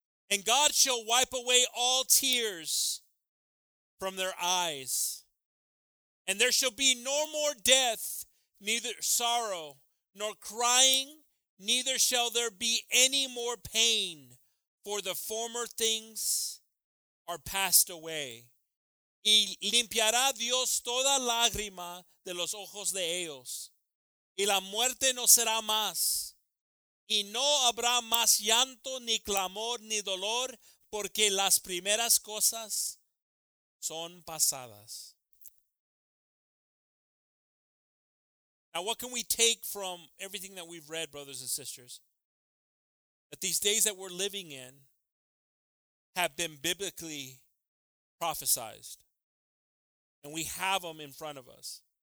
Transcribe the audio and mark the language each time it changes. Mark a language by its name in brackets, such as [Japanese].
[English] And God shall wipe away all tears from their eyes, and there shall be no more death, neither sorrow, nor crying, neither shall there be any more pain, for the former things are passed away. [Spanish] Y limpiará Dios toda lágrima de los ojos de ellos. Y la muerte no será más. Y no habrá más llanto, ni clamor, ni dolor, porque las primeras cosas son pasadas. [English] Now, what can we take from everything that we've read, brothers and sisters? that these days that we're living in have been biblically prophesied, and we have them in front of us.